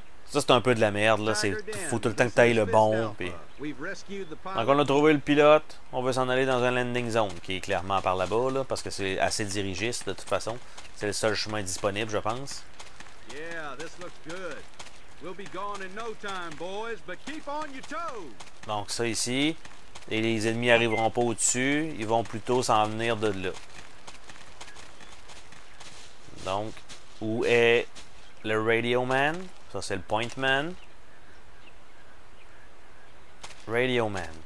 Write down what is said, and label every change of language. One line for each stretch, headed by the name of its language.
French: Ça c'est un peu de la merde là. C'est faut tout le temps que t'ailles le bon. Puis... Donc on a trouvé le pilote. On veut s'en aller dans un landing zone qui est clairement par là-bas là, parce que c'est assez dirigiste de toute façon. C'est le seul chemin disponible, je pense.
English: Yeah, this looks good. We'll be gone in no time, boys, but keep on your toes.
French: Donc ça ici, et les ennemis arriveront pas au-dessus, ils vont plutôt s'en venir de là. Donc, où est le radio man? Ça c'est le point man. Radio man.